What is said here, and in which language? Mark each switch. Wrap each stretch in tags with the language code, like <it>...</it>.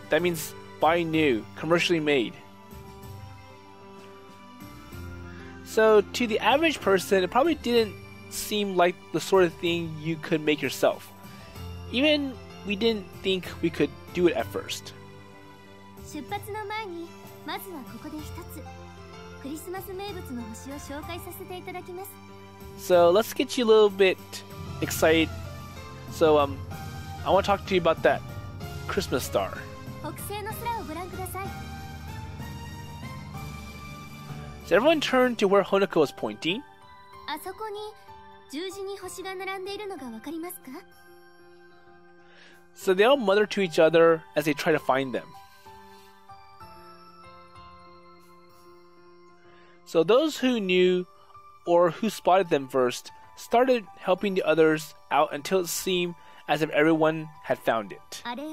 <en>That means buy new, commercially made. So to the average person, it probably didn't seem like the sort of thing you could make yourself. Even we didn't think we could do it at first.</en> <ja>出発の前にまずはここで一つクリスマス名物の星を紹介させていただきます。</ja> <en>So let's get you a little bit excited. So I want to talk to you about that Christmas star.</en> <ja>北西の空をご覧ください。</ja> <en>So everyone turned to where Honoka was pointing.</en> <ja>あそこに十字に星が並んでいるのがわかりますか？</ja> <en>So they all mutter to each other as they try to find them. So those who knew or who spotted them first started helping the others out until it seemed as if everyone had found it.</en>